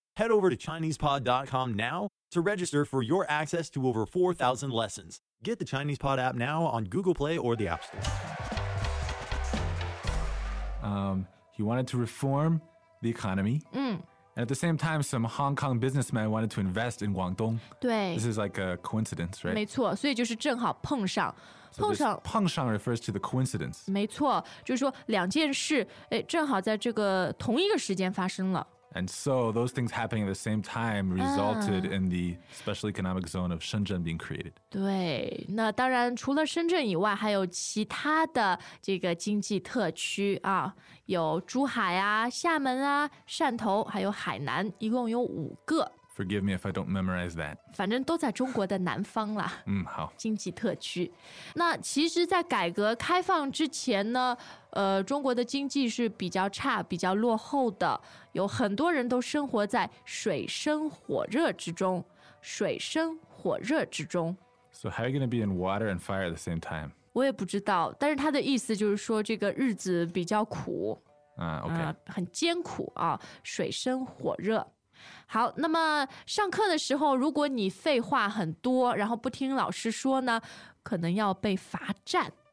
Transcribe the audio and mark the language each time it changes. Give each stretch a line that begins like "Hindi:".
English: Head over to ChinesePod.com now to register for your access to over 4,000 lessons. Get the ChinesePod app now on Google Play or the App Store. He wanted to reform the economy. And at the same time, some Hong Kong businessmen wanted to invest in Guangdong.
Chinese: 对。
English: This is like a coincidence, right?
Chinese: 没错，所以就是正好碰上。碰上。
English: 碰上 refers to the coincidence.
Chinese: 没错，就是说两件事，哎，正好在这个同一个时间发生了。
English: And so those things happening at the same time resulted in the special economic zone of Shenzhen being created.
Chinese: 对，那当然除了深圳以外，还有其他的这个经济特区啊，有珠海啊、厦门啊、汕头，还有海南，一共有五个。
English: Forgive me if I don't memorize that.
Chinese: 反正都在中国的南方啦。好。经济特区。那其实在改革开放之前呢，中国的经济是比较差，比较落后的，有很多人都生活在水深火热之中。水深火热之中。
English: So how are you going to be in water and fire at the same time?
Chinese: 我也不知道，但是他的意思就是说这个日子比较苦。很艰苦啊，水深火热。好，那么上课的时候如果你废话很多然后不听老师说呢，可能要被罚站。